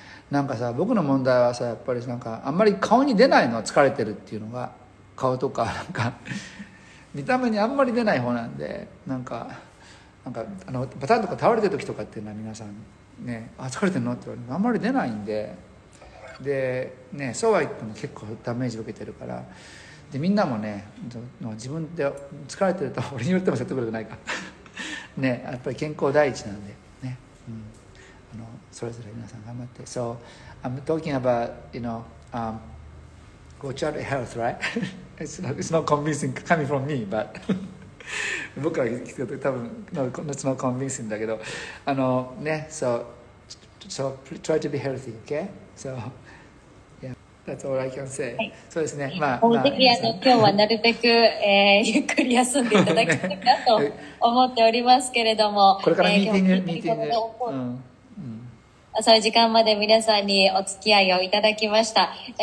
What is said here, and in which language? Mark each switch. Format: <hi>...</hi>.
<ja>なんかさ、僕の問題はさ、やっぱりなんかあんまり顔に出ないの、疲れてるっていうのが、顔とかなんか見た目にあんまり出ない方なんで、なんかバタンとか倒れてる時とかっていうのは皆さんね、あ疲れてるのって言われるのあんまり出ないんで、でね、そうは言っても結構ダメージ受けてるから、でみんなもね、自分で疲れてると俺に言っても説得力ないかね、やっぱり健康第一なんでね、うん、それぞれ皆さん頑張って。</ja> <en>So I'm talking about, you know, go to your health, right? it's not convincing coming from me, but</en> <ja>僕は聞くと多分</ja> <en>no, it's not convincing</en> <ja>だけど、ね、</ja> <en>so try to be healthy, okay? So yeah, that's all I can say、</en> <ja>はい、そうですね、まあ、今日はなるべく、ゆっくり休んでいただきたいなと思っておりますけれども、これからミーティング、浅い時間まで皆さんにお付き合いをいただきました。</ja>